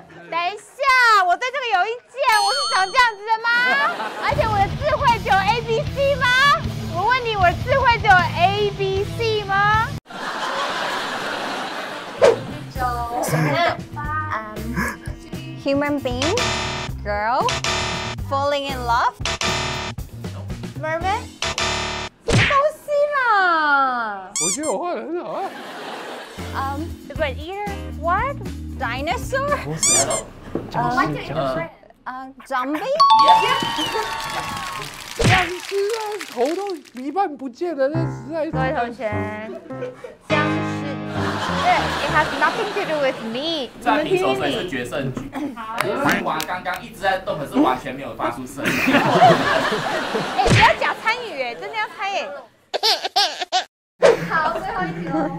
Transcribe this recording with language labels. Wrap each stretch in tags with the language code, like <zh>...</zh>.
<zh>等一下，我对这个有意见，我是长这样子的吗？而且我的智慧只有 A B C 吗？我问你，我的智慧只有 A B C 吗？</zh> <en>9, 8, human being, girl, falling in love.</en> <zh>Mermaid， 什么东西啦？我觉得我画的很好啊。</zh> <en>But either what? Dinosaur？</en> <zh>不是，僵尸，僵尸。</zh> <en>Zombie？</en> <zh>僵尸啊，头都一半不见了，那实在是。各位同学，僵尸。对</zh> <en>，It has nothing to do with me。</en> <zh>在平手水是决胜局。好。三娃刚刚一直在动，可是完全没有发出声音。哎，不要假参与，哎，真的要猜，哎。好，最后一题喽。</zh>